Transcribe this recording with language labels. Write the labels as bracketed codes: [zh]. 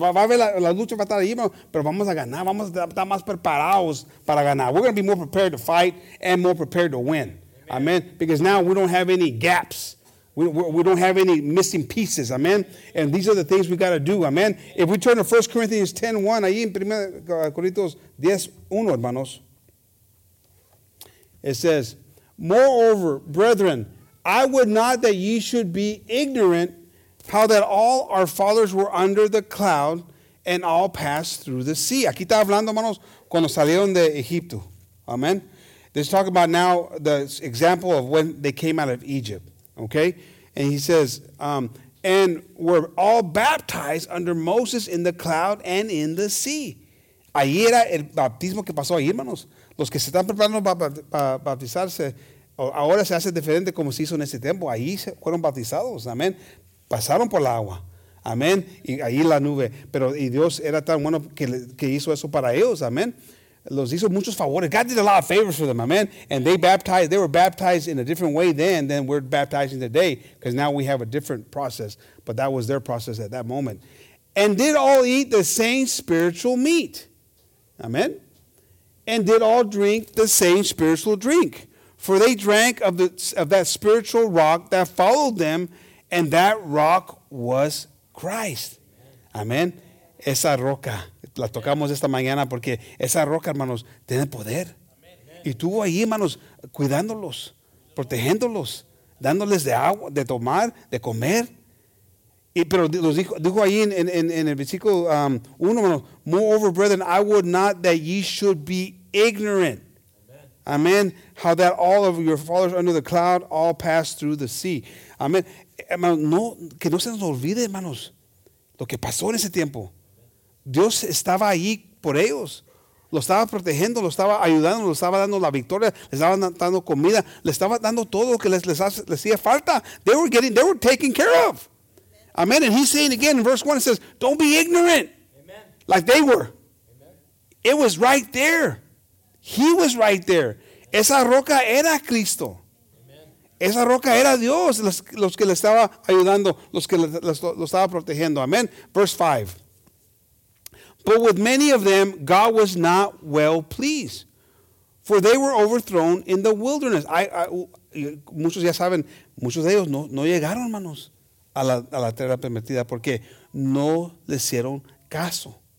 [es] Va a haber la lucha, va a estar ahí, hermanos, pero vamos a ganar. Vamos a estar más preparados para ganar. [en] We're going to be more prepared to fight and more prepared to win. Amen. Because now we don't have any gaps. We don't have any missing pieces. Amen. And these are the things we got to do. Amen. If we turn to 1 Corinthians 10:1, [es] ahí en 1 Corintios 10:1, hermanos. [en] It says, moreover, brethren, I would not that ye should be ignorant how that all our fathers were under the cloud and all passed through the sea. [es] Aquí está hablando, hermanos, cuando salieron de Egipto. [en] Amen. Let's talk about now the example of when they came out of Egypt. Okay. And he says, and were all baptized under Moses in the cloud and in the sea. [es] Ahí era el bautismo que pasó ahí, hermanos. Los que se están preparando para bautizarse, ahora se hace diferente como se hizo en ese tiempo. Ahí fueron bautizados, amén. Pasaron por el agua, amén. Y ahí la nube. Pero y Dios era tan bueno que hizo eso para ellos, amén. Los hizo muchos favores. [en] God did a lot of favors for them, [es] amén. [en] And they were baptized in a different way then than we're baptizing today, because now we have a different process. But that was their process at that moment. And did all eat the same spiritual meat, amén. And did all drink the same spiritual drink. For they drank of that spiritual rock that followed them, and that rock was Christ. [es] Amén. Esa roca, la tocamos esta mañana porque esa roca, hermanos, tiene poder. Y tuvo ahí, hermanos, cuidándolos, protegiéndolos, dándoles de agua, de tomar, de comer. Y pero los dijo, dijo ahí en el versículo 1, hermanos, [en] moreover, brethren, I would not that ye should be ignorant. [es] Amen. [en] How that all of your fathers under the cloud all passed through the sea. Amen. [es] No, que no se nos olvide, hermanos, lo que pasó en ese tiempo. Dios estaba ahí por ellos. Lo estaba protegiendo, lo estaba ayudando, lo estaba dando la victoria, les estaba dando comida, les estaba dando todo lo que les hacía falta. [en] They were taken care of. Amen. And he's saying again in verse 1, it says, don't be ignorant. Amen. Like they were. Amen. It was right there. He was right there. [es] Esa roca era Cristo. [en] Amen. [es] Esa roca era Dios, los que le estaba ayudando, los que lo estaba protegiendo. [en] Amen. Verse 5. But with many of them, God was not well pleased, for they were overthrown in the wilderness. [es] Muchos ya saben, muchos de ellos no llegaron, hermanos, a la tierra prometida, porque no le hicieron caso.